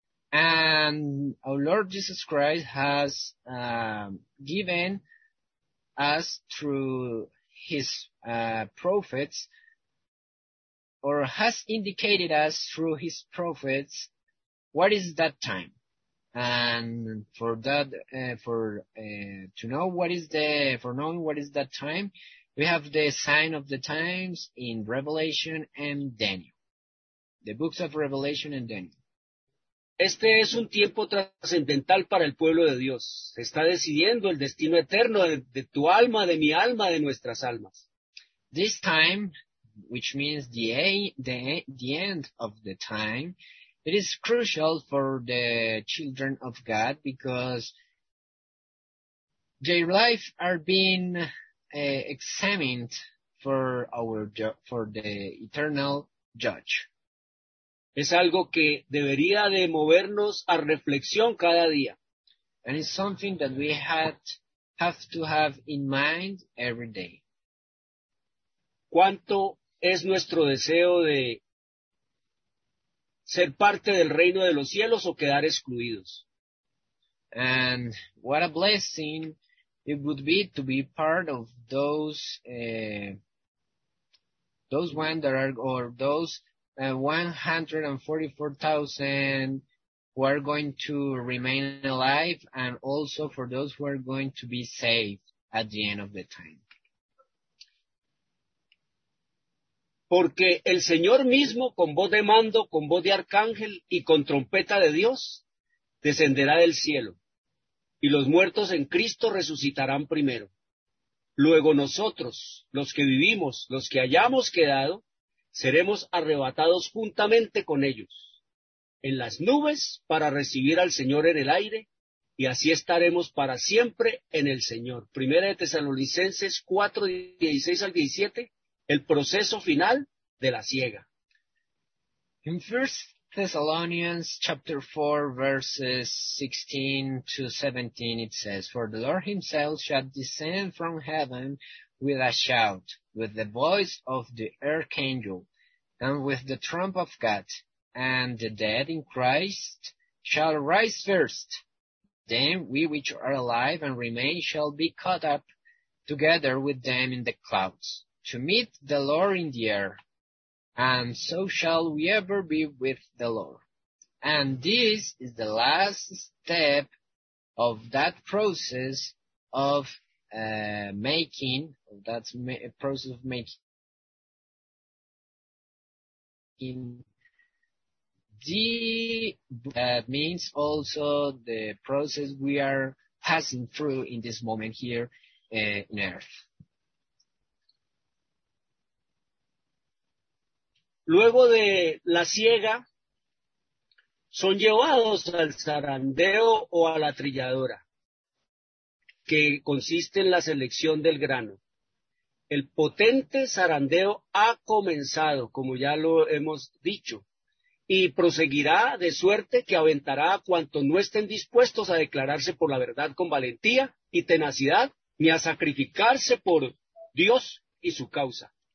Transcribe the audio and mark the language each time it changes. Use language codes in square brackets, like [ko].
[en] And our Lord Jesus Christ has given us through his prophets, or has indicated us through his prophets, what is that time. And for that, knowing what is that time, we have the sign of the times in Revelation and Daniel, the books of Revelation and Daniel. [es] Este es un tiempo trascendental para el pueblo de Dios. Se está decidiendo el destino eterno de tu alma, de mi alma, de nuestras almas. [en] This time, which means the end of the time, it is crucial for the children of God because their life are being examined for the eternal judge. [es] Es algo que debería de movernos a reflexión cada día. [en] And it's something that we have to have in mind every day. [es] ¿Cuánto es nuestro deseo de ser parte del reino de los cielos o quedar excluidos? [en] And what a blessing it would be to be part of those ones that are, or those 144,000 who are going to remain alive, and also for those who are going to be saved at the end of the time. [es] Porque el Señor mismo, con voz de mando, con voz de arcángel y con trompeta de Dios, descenderá del cielo, y los muertos en Cristo resucitarán primero. Luego nosotros, los que vivimos, los que hayamos quedado, seremos arrebatados juntamente con ellos, en las nubes para recibir al Señor en el aire, y así estaremos para siempre en el Señor. Primera de Tesalonicenses 4, 16 al 17, el proceso final de la siega. [en] In 1 Thessalonians chapter 4, verses 16 to 17, it says, "For the Lord himself shall descend from heaven with a shout, with the voice of the archangel, and with the trump of God, and the dead in Christ shall rise first. Then we which are alive and remain shall be caught up together with them in the clouds, to meet the Lord in the air, and so shall we ever be with the Lord. And this is the last step of that process of making the that means also the process we are passing through in this moment here in earth. [es] Luego de la siega, son llevados al zarandeo o a la trilladora, que consiste en la selección del grano. El potente zarandeo ha comenzado, como ya lo hemos dicho, y proseguirá de suerte que aventará a cuantos no estén dispuestos a declararse por la verdad con valentía y tenacidad, ni a sacrificarse por Dios y su causa.